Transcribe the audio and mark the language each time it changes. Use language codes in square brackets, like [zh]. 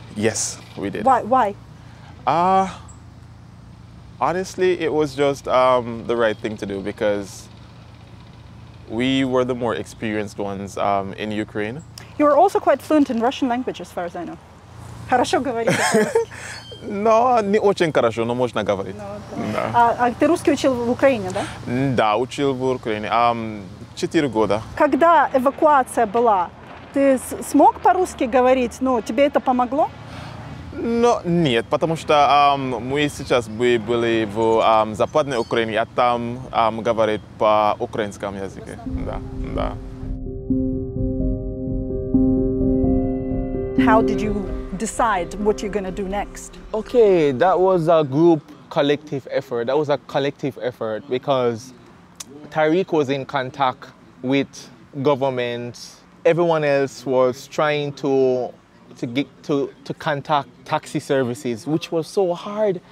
[en] Yes, we did. Why? Honestly, it was just the right thing to do, because we were the more experienced ones in Ukraine. You were also quite fluent in Russian language, as far as I know. [ru] Хорошо говорите. No, не очень хорошо, но можно говорить. А ты русский учил в Украине, да? Да, учил в Украине. 4 года. Когда эвакуация была, ты смог по-русски говорить? Ну, тебе это помогло? Но нет, потому что мы сейчас были в Западной Украине, а там говорят по украинскому языку. Да, да. [en] How did you decide what you're going to do next? Okay, that was a group collective effort. That was a collective effort because Tariq was in contact with government. Everyone else was trying to get to contact taxi services, which was so hard.